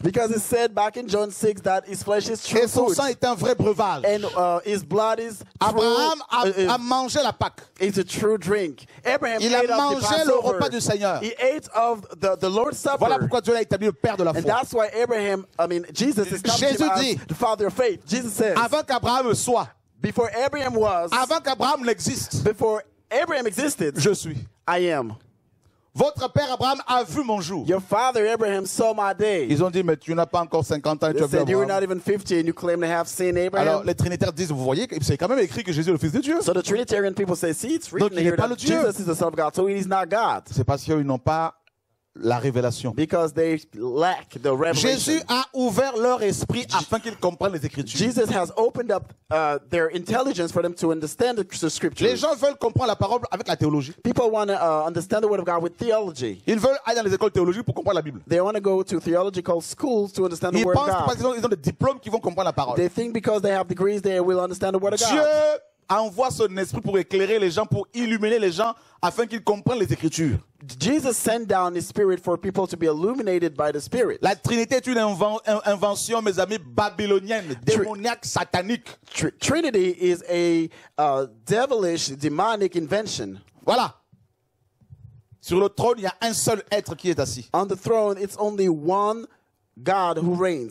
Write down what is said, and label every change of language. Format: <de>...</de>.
<en>Because he said back in John 6 that his flesh is true.</en> <fr>Et son sang est un vrai breuvage.</fr> <en>And his blood is true.</en> <fr>Abraham a mangé la Pâque.</fr> <en>It's a true drink. Abraham</en> <fr>il a mangé le repas du Seigneur.</fr> <en>He ate of the Lord's Supper.</en> <fr>Voilà pourquoi Dieu l'a établi le père de la foi.</fr> <en>And that's why Abraham, Jesus is called the father of faith. Jesus says,</en> <fr>avant qu'Abraham soit,</fr> <en>before Abraham was,</en> <fr>avant qu'Abraham n'existe,</fr> <en>before Abraham existed,</en> <fr>je suis,</fr> <en>I am.</en> <fr>Votre père Abraham a vu mon jour.</fr> <en>Your father Abraham saw my day.</en> <fr>Ils ont dit, mais tu n'as pas encore 50 ans et</fr> <en>they</en> <fr>tu as</fr> <en>said,</en> <fr>vu Abraham.</fr> <en>You are not even 50 and you claim to have seen Abraham.</en> <fr>Alors les trinitaires disent, vous voyez, c'est quand même écrit que Jésus est le fils de Dieu.</fr> <en>So the Trinitarian people say, see, it's written here that Jesus is the son of God, so he is not God.</en> <fr>C'est parce qu'ils n'ont pas la révélation.</fr> <en>Because they lack the revelation.</en> <fr>Jésus a ouvert leur esprit afin qu'ils comprennent les Écritures.</fr> <en>Jesus has opened up their intelligence for them to understand the Scriptures.</en> <fr>Les gens veulent comprendre la parole avec la théologie.</fr> <en>People want to understand the word of God with theology.</en> <fr>Ils veulent aller dans les écoles théologiques pour comprendre la Bible.</fr> <en>They want to go to theological schools to understand</en> <fr>ils</fr> <en>the word of God.</en> <fr>Ils pensent parce qu'ils ont des diplômes qu'ils vont comprendre la parole.</fr> <en>They think because they have degrees they will understand the word of God.</en> <fr>Dieu envoie son esprit pour éclairer les gens, pour illuminer les gens afin qu'ils comprennent les Écritures.</fr> <en>Jesus sent down his spirit for people to be illuminated by the spirit.</en> <fr>La Trinité est une invention, mes amis, babylonienne, démoniaque, satanique.</fr> <en>Trinity is a devilish, demonic invention.</en> <fr>Voilà. Sur le trône, il y a un seul être qui est assis.</fr> <en>On the throne, it's only one God who reigns.</en>